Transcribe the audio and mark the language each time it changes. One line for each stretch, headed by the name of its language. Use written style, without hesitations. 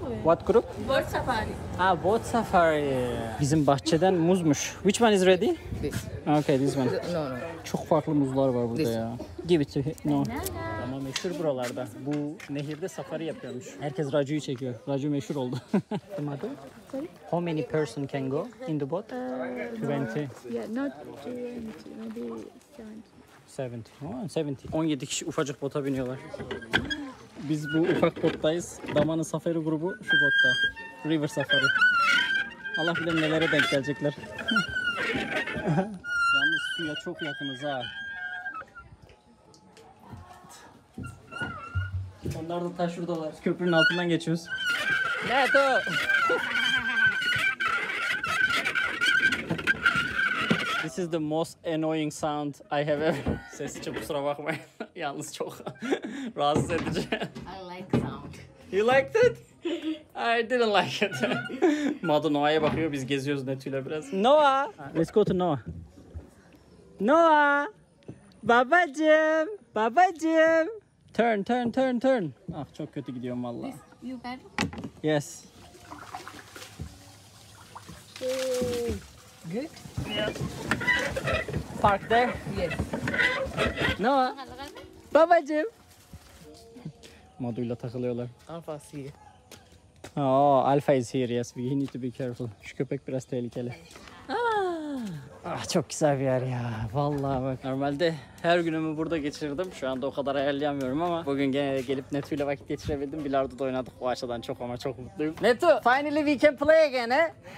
English: What group? Boat safari. Ah, boat safari.
Turkish: Bizim bahçeden muzmuş.
English: Which one is ready? This. Okay, this one. No.
Turkish: Çok farklı muzlar var burada
English: this. Ya. Give it to him. No. Banana.
Turkish: Ama meşhur buralarda. Bu nehirde safari yapıyormuş. Herkes Raju'yu çekiyor. Raju meşhur oldu. Tamam.
English: How many person can go in the boat? 20. Yeah, not 20. Maybe 70. 70.
Turkish: 17 kişi ufacık bota biniyorlar. Biz bu ufak bottayız. Damanın safari grubu şu botta.
English: River safari.
Turkish: Allah bilir nelere denk gelecekler. Yalnız suya çok yakınız ha. Onlar da taş şuradalar. Köprünün altından geçiyoruz. Evet o.
English: This is the most annoying sound I have ever.
Turkish: Sesi çok kusura bakmayın. Yalnız çok rahatsız edici.
English: I like sound. You liked it? I didn't like it.
Turkish: Madu Noah'ya bakıyor, biz geziyoruz netüyle biraz.
English: Noah! Let's go to Noah. Noah!
Turkish: Babacım! Babacım!
English: Turn, turn, turn, turn.
Turkish: Ah, çok kötü gidiyorum valla.
English: You better? Yes. Good? Yeah. Park there? Yes.
Turkish: Noah! Babacım! Madu'yla takılıyorlar.
English: Alpha is here. Oh, Alpha is here, yes. We need to be careful.
Turkish: Şu köpek biraz tehlikeli. Ah, çok güzel bir yer ya. Vallahi bak. Normalde her günümü burada geçirirdim. Şu anda o kadar hayalleyemiyorum ama bugün gene gelip Netu ile vakit geçirebildim. Bilardo'da oynadık bu açıdan çok ama çok mutluyum.
English: Netu, finally we can play again, eh?